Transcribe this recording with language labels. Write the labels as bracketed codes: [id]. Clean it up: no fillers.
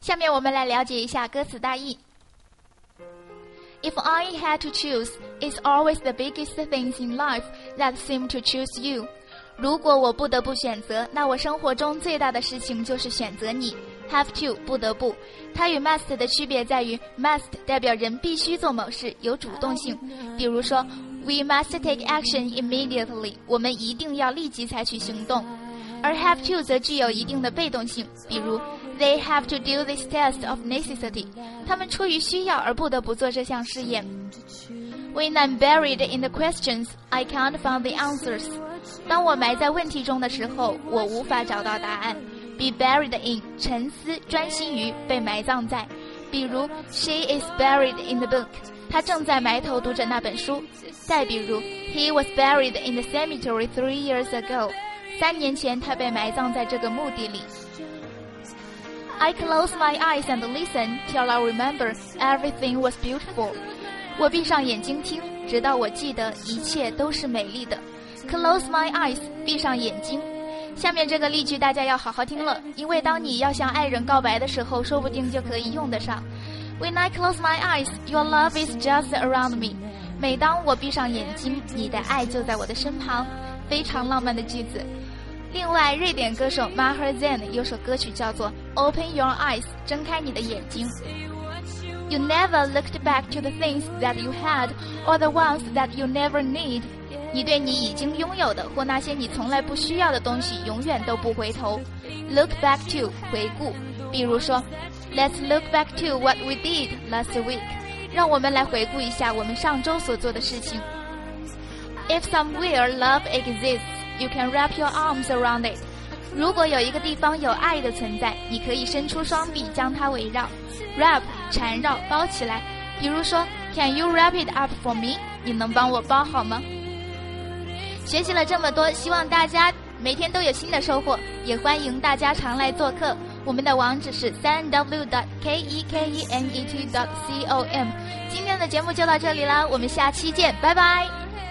[zh] 我们来了解一下歌词大意。 [en] If I had to choose, it's always the biggest things in life that seem to choose you. [zh] 如果我不得不选择，那我生活中最大的事情就是选择你。 Have to, 不得不。它与 must 的区别在于 must 代表人必须做某事，有主动性。比如说 [en] We must take action immediately. [zh] 我们一定要立即采取行动。而 have to 则具有一定的被动性，比如 [en] They have to do this test of necessity， [zh] 他们出于需要而不得不做这项试验。 [en] When I'm buried in the questions, I can't find the answers， [zh] 当我埋在问题中的时候，我无法找到答案。 Be buried in， 沉思，专心于，被埋葬在，比如 [en] She is buried in the book， [zh] 她正在埋头读着那本书。再比如 [en] He was buried in the cemetery 3 years ago， [zh] 三年前他被埋葬在这个墓地里。 [en] I close my eyes and listen till I remember everything was beautiful. [zh] 我闭上眼睛听，直到我记得一切都是美丽的。 [en] Close my eyes， [zh] 闭上眼睛。下面这个例句大家要好好听了，因为当你要向爱人告白的时候，说不定就可以用得上。 [en] When I close my eyes, your love is just around me. [zh] 每当我闭上眼睛，你的爱就在我的身旁，非常浪漫的句子。另外，瑞典歌手 Maher Zain 有首歌曲叫做 Open Your Eyes， 睁开你的眼睛。 [en] You never looked back to the things that you had or the ones that you never need. [zh] 你对你已经拥有的或那些你从来不需要的东西永远都不回头。 [en] Look back to [zh] 回顾，比如说 [en] Let's look back to what we did last week. [zh] 让我们来回顾一下我们上周所做的事情。 [en] If somewhere love exists, you can wrap your arms around it. [zh] 如果有一个地方有爱的存在，你可以伸出双臂将它围绕。 [en] Wrap [zh] 缠绕包起来，比如说 [en] Can you wrap it up for me? [zh] 你能帮我包好吗？学习了这么多，希望大家每天都有新的收获，也欢迎大家常来做客。我们的网址是 www.kekenet.com。 今天的节目就到这里了，我们下期见，拜拜。